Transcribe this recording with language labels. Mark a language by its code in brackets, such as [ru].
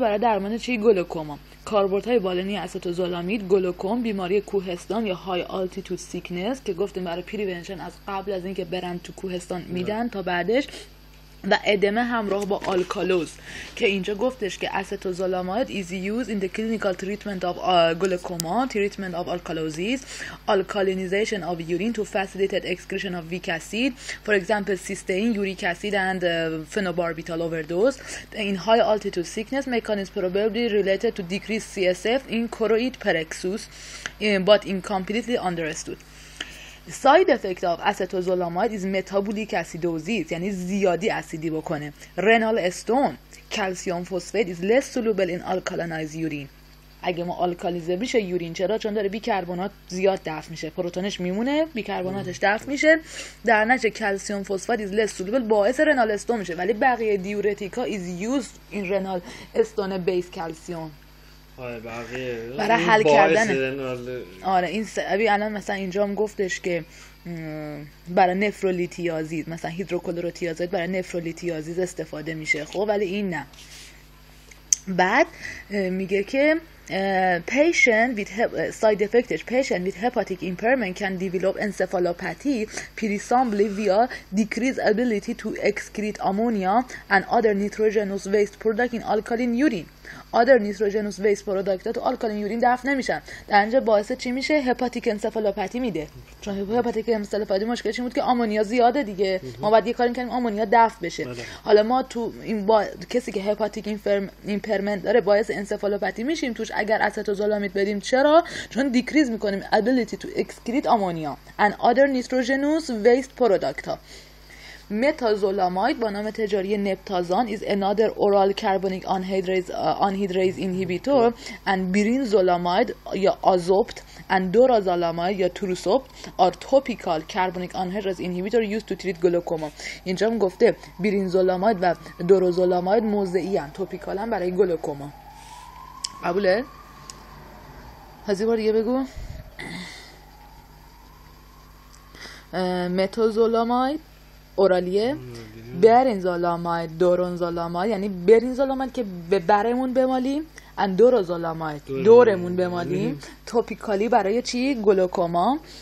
[fa] برای درمان چی؟ گلوکوما. کاربردهای والنی استوزولامید، گلوکوم، بیماری کوهستان یا های آلتیتود سیکنس که گفتیم برای پریونشن از قبل از اینکه برن تو کوهستان میدن تا بعدش، و ادمه همراه با آلکالوز که اینجا گفتش که استوزولاماید [en] Is used in the clinical treatment of glaucoma, treatment of alkalosis, alkalinization of urine to facilitated excretion of weak acid, for example cysteine, uric acid and phenobarbital overdose. In high altitude sickness mechanism probably related to decrease C S F in choroid plexus but incompletely understood. Side effect of acetazolamide is metabolic acidosis, [fa] یعنی زیادی اسیدی بکنه. [en] Renal stone, calcium phosphate is less soluble in alkalinized urine. [fa] اگه ما آلکالیزه بشه یورین، چرا؟ چون داره بیکربنات زیاد دفع میشه. پروتونش میمونه، بیکربناتش دفع میشه. در نتیجه [en] calcium phosphate is less soluble، [fa] باعث renal stone میشه. ولی بقیه دیورتیکا [en] is used in renal stone based calcium. [fa] بقیه. برای حل کردن رنال... آره این ابی الان مثلا اینجا هم گفتش که برای نفرولیتیازید، مثلا هیدروکلوروتیازید برای نفرولیتیازید استفاده میشه، خب ولی این نه. بعد میگه که [en] patient with side effects, patient with hepatic impairment can develop encephalopathy presumably via decreased ability to excrete ammonia and other nitrogenous waste product in alkaline urine. other nitrogenous waste product [fa] تو alkaline urine دفع نمیشن، در اینجا باعث چی میشه؟ hepatic encephalopathy میده. چون hepatic encephalopathy مشکل چی بود؟ که آمونیا زیاده دیگه، ما باید یه کاری کنیم آمونیا دفع بشه. حالا ما تو این با... کسی که hepatic impairment داره باعث encephalopathy میشیم توش اگر استوزولامید بدیم. چرا؟ چون دیکریز میکنیم [en] ability to excrete ammonia and other nitrogenous waste product. Methazolamide [fa] با نام تجاری نپتازان [en] is another oral carbonic anhydrase inhibitor and brinzolamide یا Azopt and dorzolamide یا Trusopt are topical carbonic anhydrase inhibitor used to treat glaucoma. [fa] اینجا هم گفته برینزولاماید و دورازولاماید موضعی هم topical هم برای گلوکوما. قبوله؟ هزی بار دیگه بگو. متازولاماید اورالیه، برینزولاماید، دورانزولاماید یعنی برینزولاماید که به برمون بمالیم، اندورازولاماید دورمون بمالیم، توپیکالی برای چی؟ گلوکوما.